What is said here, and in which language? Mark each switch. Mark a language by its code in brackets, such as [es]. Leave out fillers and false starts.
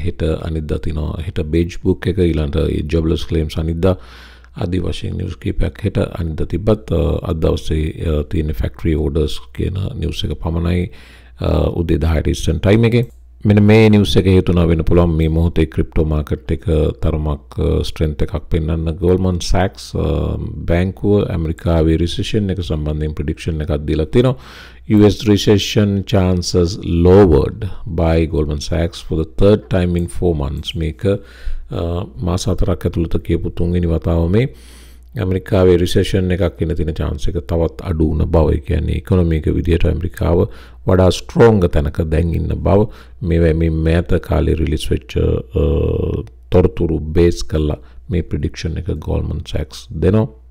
[si] හිට අනිද්දා තිනවා. හිට බේජ් බුක් එක, ඊළඟට ඒ ජොබ්ලස් ක්ලේම්ස් අනිද්දා, ආදි වශයෙන් නිවස් කීපයක් හිට අනිද්දා තිබ්බත් අද දවසේ තියෙන ෆැක්ටරි ඕඩර්ස් කියන නිවස් එක පමණයි උදේ 10ට ඉස්සන් ටයිම් එකේ. මෙන්න මේ නිවස් එක හේතුනා වෙන්න පුළුවන් මේ මොහොතේ ක්‍රිප්ටෝ මාකට් එක තරමක් ස්ට්‍රෙන්ත් එකක් පෙන්වන්න. ගෝල්මන් සැක්ස් බැංකුව ඇමරිකාවේ රිසෙෂන් එක සම්බන්ධයෙන් ප්‍රඩික්ෂන් එකක් දීලා තිනවා. [en] US recession chances lowered by Goldman Sachs for the third time in 4 months. [si] මේක මාස 4ක් ඇතුළත කියපු තුන්වෙනි වතාව. මේ ඇමරිකාවේ රිසෙෂන් එකක් එන තියෙන චාන්ස් එක තවත් අඩු වුණ බව, ඒ කියන්නේ ඉකොනොමික විදියට ඇමරිකාව වඩා ස්ට්‍රෝංග තැනක දැන් ඉන්න බව. මේවා මේ මෑත කාලේ රිලීස් වෙච්ච තොරතුරු බේස් කළා මේ ප්‍රිඩික්ෂන් එක Goldman Sachs දෙනවා.